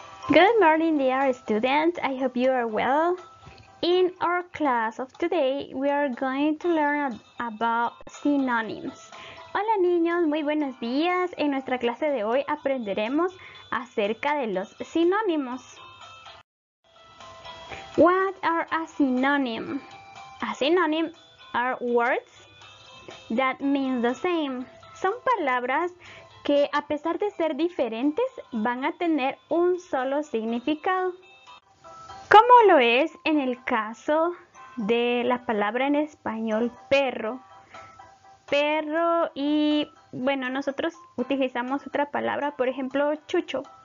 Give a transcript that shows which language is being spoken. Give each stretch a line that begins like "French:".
English: Good morning, dear students. I hope you are well. In our class of today, we are going to learn about synonyms.
Spanish: Hola, niños. Muy buenos días. En nuestra clase de hoy, aprenderemos acerca de los sinónimos.
English: What are a synonym? A synonym are words that mean the same.
Spanish: Son palabras que a pesar de ser diferentes, van a tener un solo significado. ¿Cómo lo es en el caso de la palabra en español perro? Perro y, bueno, nosotros utilizamos otra palabra, por ejemplo, chucho.